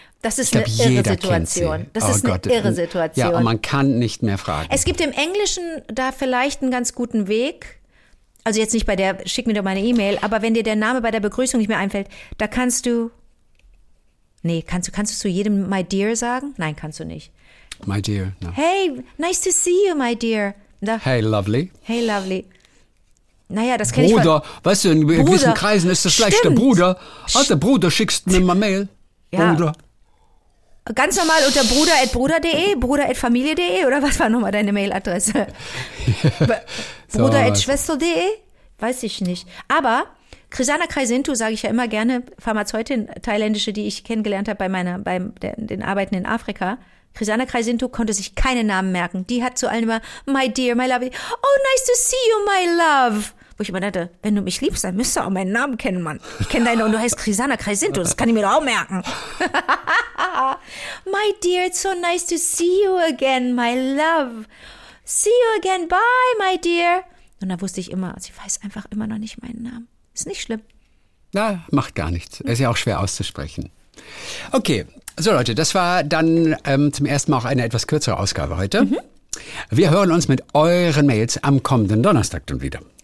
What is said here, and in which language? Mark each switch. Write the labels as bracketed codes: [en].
[de] Das ist eine irre Situation. Das ist eine irre Situation. Ja, und man kann nicht mehr fragen. Es gibt im Englischen da vielleicht einen ganz guten Weg. Also jetzt nicht bei der, schick mir doch meine E-Mail, aber wenn dir der Name bei der Begrüßung nicht mehr einfällt, da kannst du, kannst du zu jedem [en] my dear [de] sagen? Nein, kannst du nicht. [en] My dear, no. Hey, nice to see you, my dear. Hey, lovely. [de] Naja, das kenne ich von. Bruder, weißt du, in gewissen Kreisen ist das vielleicht der Bruder. Also der Bruder, schickst mir mal Mail. Ja. Bruder. Ganz normal unter bruder@bruder.de, bruder@familie.de oder was war nochmal deine Mailadresse? bruder@schwester.de? Weiß ich nicht. Aber Krisana Kreisintu, sage ich ja immer gerne, Pharmazeutin thailändische, die ich kennengelernt habe bei den Arbeiten in Afrika. Krisana Kreisintu konnte sich keinen Namen merken. Die hat zu allen immer, [en] my dear, my love, oh nice to see you, my love. [de] Wo ich immer dachte, wenn du mich liebst, dann müsstest du auch meinen Namen kennen, Mann. Ich kenne deinen und du heißt Krisana Kreisintu, das kann ich mir doch auch merken. [en] My dear, it's so nice to see you again, my love. See you again, bye, my dear. [de] Und da wusste ich immer, sie weiß einfach immer noch nicht meinen Namen. Ist nicht schlimm. Na, macht gar nichts. Ist ja auch schwer auszusprechen. Okay, so Leute, das war dann zum ersten Mal auch eine etwas kürzere Ausgabe heute. Mhm. Wir hören uns mit euren Mails am kommenden Donnerstag dann wieder.